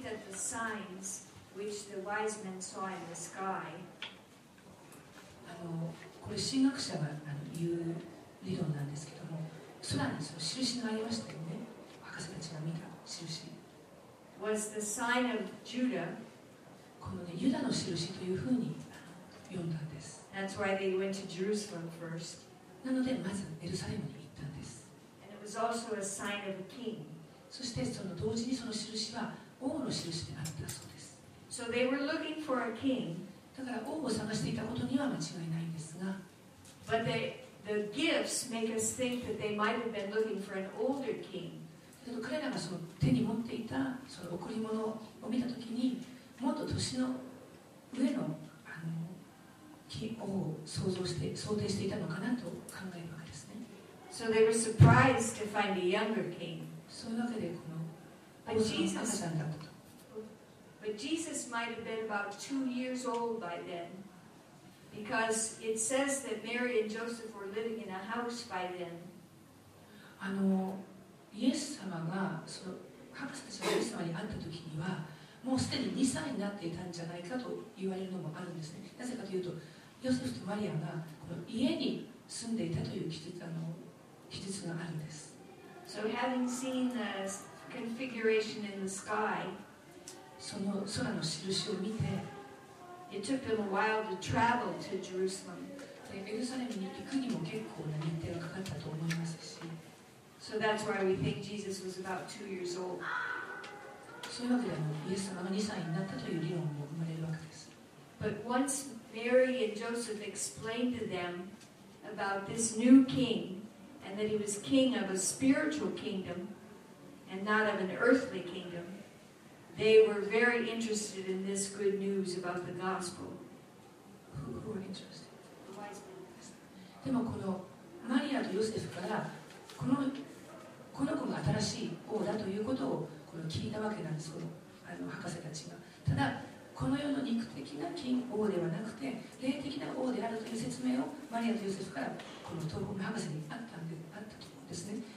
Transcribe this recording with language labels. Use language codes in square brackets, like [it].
[en] the signs which the wise men saw in the sky. [ja] これ神学者が言う理論なんですけども、空にその印がありましたよね。博士たちが見た印。 [en] Was the sign of Judah. [ja] この、ね、ユダの印というふうに読んだんです。 [en] That's why they went to Jerusalem first. [ja] なのでまずエルサレムに行ったんです。 [en] And it was also a sign of a king. [ja] そしてその同時にその印は王の印であったそうです。 [en] So they were looking for a king. [ja] だから王を探していたことには間違いないんですが、 [en] the gifts make us think that they might have been looking for an older king. [ja] 彼らがその手に持っていたその贈り物を見たときに、もっと年の上 の, あの王を想像して想定していたのかなと考えるわけですね。 [en] So they were surprised to find a younger king. [ja] そういうわけでこの王様が赤ちゃんだったと。 [en] But Jesus might have been about 2 years old by then, because it says that Mary and Joseph were living in a house by then. [ja] あのイエス様がその博士たちがイエス様に会った時にはもうすでに2歳になっていたんじゃないかと言われるのもあるんですね。なぜかというとヨセフとマリアがこの家に住んでいたという記述があるんです。 [en] So having seen the configuration in the sky. [ja] その空の印を見て、 [en] It took them a while to travel to Jerusalem. [ja] でエルサレムに行くにも結構な日程がかかったと思いますし、 [en] So that's why we think Jesus was about 2 years old. [ja] そういうわけでイエス様が2歳になったという理論も生まれるわけです。 [en] But once Mary and Joseph explained to them about this new king and that he was king of a spiritual kingdom and not of an earthly kingdom. They were very interested in this good news about the gospel. Who were interested? The wise men. [ja] でもこのマリアとヨセフからこの子が新しい王だということをこの聞いたわけなんです。この博士たちが。ただこの世の肉的な金王ではなくて霊的な王であるという説明をマリアとヨセフからこの東方の博士にあったと思うんですね。